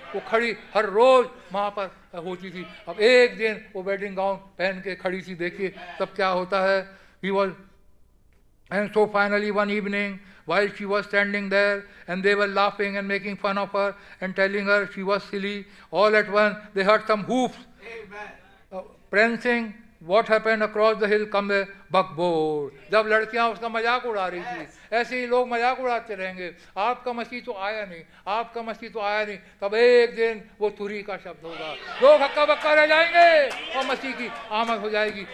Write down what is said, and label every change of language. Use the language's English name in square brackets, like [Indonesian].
[Hindi] वो खड़ी हर रोज वहाँ पर होती थी, अब एक दिन वो वेडिंग गाउन पहन के खड़ी थी. देखिए तब क्या होता है, [English] He was and so finally one evening while she was standing there and they were laughing and making fun of her and telling her she was silly, all at one they heard some hoofs prancing. What happened across the hill come a buckboard. [Hindi] जब लड़कियाँ उसका मजाक उड़ा रही थी, ऐसे ही लोग मजाक उड़ाते रहेंगे, आपका मसीह तो आया नहीं, आपका मसीह तो आया नहीं, तब एक दिन वो तुरी का शब्द होगा, लोग हक्का बक्का रह जाएंगे और मसीह की आमद हो जाएगी.